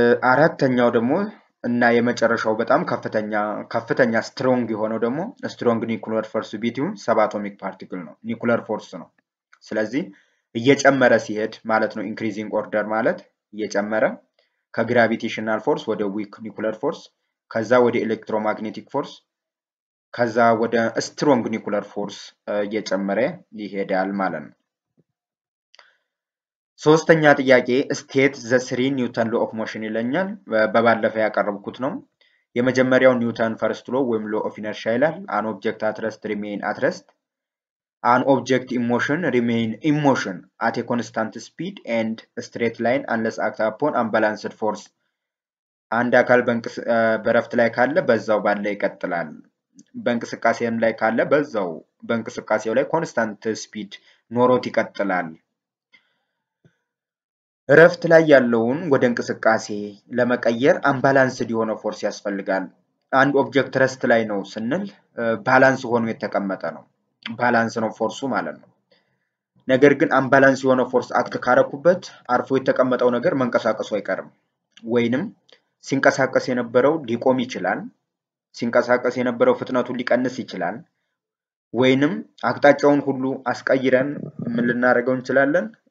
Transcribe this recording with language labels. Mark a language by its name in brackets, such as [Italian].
[Amharic] አራተኛው ደግሞ እና የመጨረሻው በጣም ከፍተኛ ስትሮንግ የሆነው ደግሞ ስትሮንግ ኒኩለር ፎርስ ቢቲዩም ሰብ አቶሚክ ፓርቲክል ነው፣ ኒኩለር ፎርስ ነው። ስለዚህ እየጨመረ ሲሄድ ማለት ነው። ኢንክሪዚንግ ኦርደር ማለት እየጨመረ ከግራቪቴሽናል ፎርስ ወደ ዊክ ኒኩለር ፎርስ፣ ከዛ ወደ ኤሌክትሮማግኔቲክ ፎርስ፣ ከዛ ወደ ስትሮንግ ኒኩለር ፎርስ እየጨመረ ይሄዳል ማለት ነው። ሶስተኛ ጥያቄ [English] ስቴት ዘ ስሪ ኒውተን ሎ ኦፍ ሞሽን [Amharic] ይለኛል። በባለፈ ያቀረብኩት ነው። የመጀመሪያው ኒውተን ፈርስት ሎ ወይም ሎ ኦፍ ኢነርሻ ይላል። [English] አን ኦብጀክት አትረስት ሪሜይን አትረስት An object in motion remain in motion at a constant speed and straight line unless acted upon unbalanced force. [Amharic] አንድ አካል በረፍት ላይ ካለ በዛው ባለ ይቀጥላል። በእንቅስቃሴም ላይ ካለ በዛው በእንቅስቃሴው ላይ ኮንስታንት ስፒድ ኖሮት ይቀጥላል። ረፍት ላይ ያለውን ወደ እንቅስቃሴ ለመቀየር አንባላንስድ የሆነ ፎርስ ያስፈልጋል። አንድ ኦብጀክት ረስት ላይ ነው ስንል ባላንስ ሆኖ የተቀመጠ ነው። ባላንስ ነው ፎርሱ ማለት ነው። ነገር ግን አንባላንስ የሆነ ፎርስ አክት ካረኩበት አርፎ የተቀመጠው ነገር መንቀሳቀሱ አይቀርም። ወይንም ሲንቀሳቀስ የነበረው ሊቆም ይችላል። ሲንቀሳቀስ የነበረው ፍጥነቱ ሊቀንስ ይችላል። ወይንም አቅጣጫውን ሁሉ አስቀይረን ምን ልናደርገው እንችላለን?